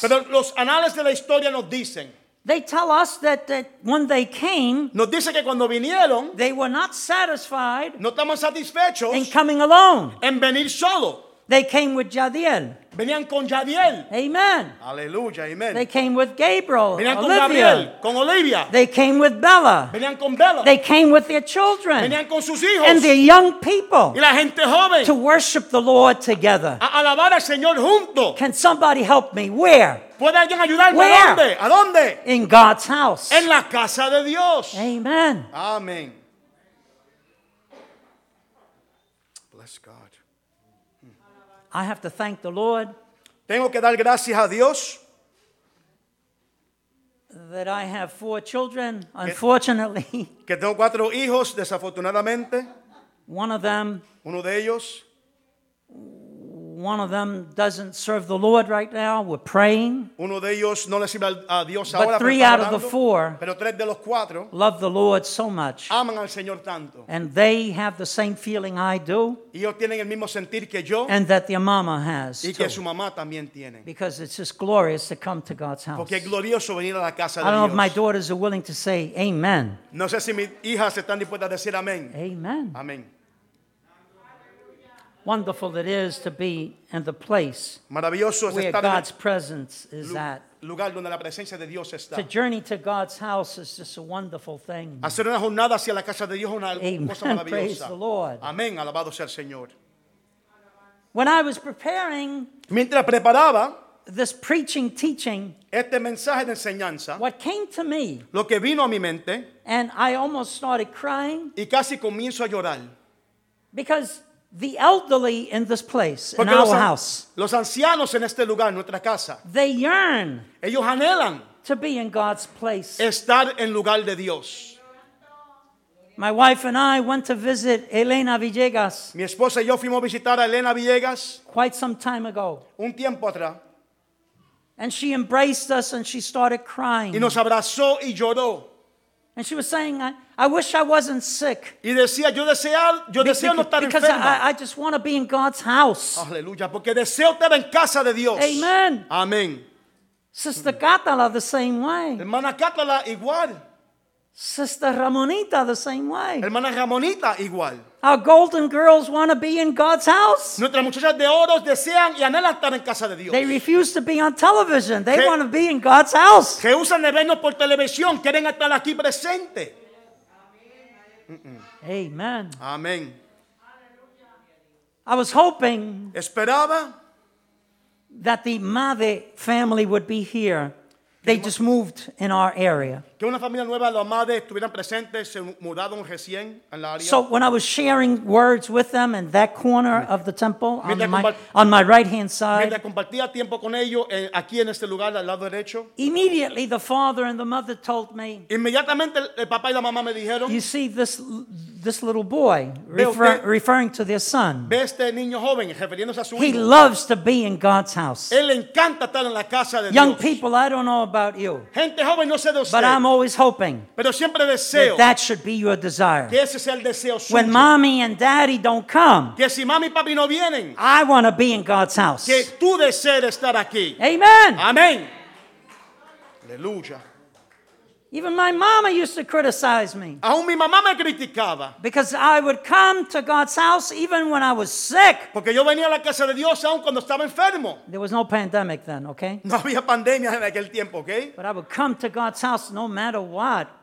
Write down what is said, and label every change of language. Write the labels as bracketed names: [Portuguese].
[Spanish] Pero los anales de la historia nos dicen, [English] they tell us that, that when they came, [Spanish] nos dice que cuando vinieron, [English] they were not satisfied, [Spanish] no estamos satisfechos, [English] in coming alone, [Spanish] en venir solo. [English] They came with Jadiel. [Spanish] Venían con Jadiel. [English] Amen. [Spanish] Aleluya, amen. [English] They came with Gabriel. [Spanish] Venían con Olivia. Gabriel, con Olivia. [English] They came with Bella. [Spanish] Venían con Bella. [English] They came with their children. [Spanish] Venían con sus hijos. [English] And their young people. [Spanish] Y la gente joven. [English] To worship the Lord together. [Spanish] A alabar al Señor junto. [English] Can somebody help me? Where? [Spanish] ¿Puede alguien ayudarme? [English] Where? [Spanish] ¿A dónde? ¿A dónde? [English] In God's house. [Spanish] En la casa de Dios. [English] Amen. [Spanish] Amen. [English] I have to thank the Lord. [Spanish] Tengo que dar gracias a Dios. [English] That I have four children, unfortunately. [Spanish] Que tengo cuatro hijos, desafortunadamente. [English] One of them. [Spanish] Uno de ellos. [English] One of them doesn't serve the Lord right now. We're praying. [Spanish] Uno de ellos no le sirve a Dios ahora. [English] But three out of the four. [Spanish] Pero tres de los cuatro. [English] Love the Lord so much. [Spanish] Aman al Señor tanto. [English] And they have the same feeling I do. [Spanish] Y ellos tienen el mismo sentir que yo. [English] And that their mama has. [Spanish] Y que su mamá también tiene. [English] Because it's just glorious to come to God's house. [Spanish] Porque es glorioso venir a la casa de Dios. [English] I don't know if my daughters are willing to say amen. [Spanish] No sé si mis hijas están dispuestas a decir amén. [English] Amen. [Spanish] Amén. [English] Wonderful it is to be in the place where God's presence is at. [Spanish] Lugar donde la presencia de Dios está. [English] To journey to God's house is just a wonderful thing. [Spanish] Hacer una jornada hacia la casa de Dios es una cosa maravillosa. [English] Amen. Praise the Lord. [Spanish] Amén. Alabado sea el Señor. [English] When I was preparing, [Spanish] mientras preparaba, [English] this preaching teaching, [Spanish] este mensaje de enseñanza, [English] what came to me, [Spanish] lo que vino a mi mente, [English] and I almost started crying, [Spanish] y casi comienzo a llorar, [English] because the elderly in this place, in our house, [Spanish] los ancianos en este lugar, nuestra casa, [English] they yearn, [Spanish] ellos anhelan, [English] to be in God's place, [Spanish] estar en lugar de Dios. [English] My wife and I went to visit Elena Villegas, [Spanish] mi esposa y yo fuimos a visitar a Elena Villegas, [English] quite some time ago, [Spanish] un tiempo atrás, [English] and she embraced us and she started crying, [Spanish] y nos abrazó y lloró. [English] And she was saying, I wish I wasn't sick. [Spanish] Y decía, yo deseo no estar [English] because [Spanish] enferma. [English] I just want to be in God's house. [Spanish] Aleluya, porque deseo estar en casa de Dios. [English] Amen. [Spanish] Amén. [English] Sister Catala, the same way. [Spanish] Hermana Catala, igual. [English] Sister Ramonita, the same way. [Spanish] Hermana Ramonita, igual. [English] Our golden girls want to be in God's house. [Spanish] Nuestras muchachas de oro desean y anhelan estar en casa de Dios. [English] They refuse to be on television. They want to be in God's house. [Spanish] Que usan de vernos por televisión. Quieren estar aquí presente. [English] Amen. [Spanish] Amen. [English] I was hoping. [Spanish] Esperaba. [English] That the Mave family would be here. They just moved in our area. [Spanish] Que una familia nueva, los madres estuvieran presentes, se mudaron recién en la área. [English] So when I was sharing words with them in that corner of the temple, on my right hand side, [Spanish] mientras compartía tiempo con ellos aquí en este lugar al lado derecho, [English] immediately the father and the mother told me. [Spanish] Inmediatamente el papá y la mamá me dijeron. [English] You see this little boy, referring to their son. [Spanish] Ve este niño joven, refiriéndose a su hijo. [English] He loves to be in God's house. [Spanish] Él encanta estar en la casa de Dios. [English] Young people, I don't know about you. [Spanish] Gente joven, no sé de usted. [English] I'm always hoping that should be your desire. [Spanish] Que ese sea el deseo suyo. [English] When mommy and daddy don't come, [Spanish] que si mami y papi no vienen, [English] I want to be in God's house. [Spanish] Que tú desees estar aquí. [English] Amen. Amen. [Spanish] Aleluya. [English] Even my mama used to criticize me. [Spanish] Aún mi mamá me criticaba. [English] Because I would come to God's house even when I was sick. [Spanish] Porque yo venía a la casa de Dios aún cuando estaba enfermo. [English] There was no pandemic then, okay? [Spanish] No había pandemia en aquel tiempo, okay? [English] But I would come to God's house no matter what.